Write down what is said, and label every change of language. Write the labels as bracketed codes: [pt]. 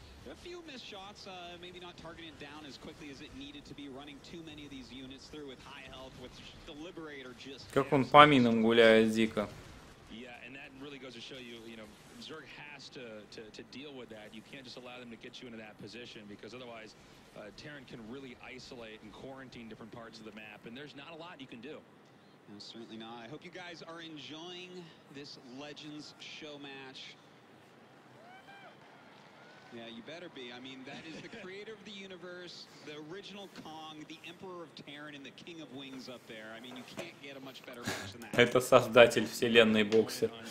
[en] A few missed shots, maybe not targeting down as quickly as it needed to be, running too many of these units through with high health, with the Liberator just... [ru] Как он по минам гуляет дико. [en] Yeah, and that really goes to show you, you know, Zerg has to deal with that. You can't just allow them to get you into that position, because otherwise, Terran can really isolate and quarantine different parts of the map, and there's not a lot you can do. No, certainly not. I hope you guys are enjoying this Legends show match. Yeah, you better be. I mean, that is the creator of the universe, the original Kong, the Emperor of Terran, and the King of Wings up there. I mean, you can't get a much better match than that. [ru] Это создатель вселенной боксе.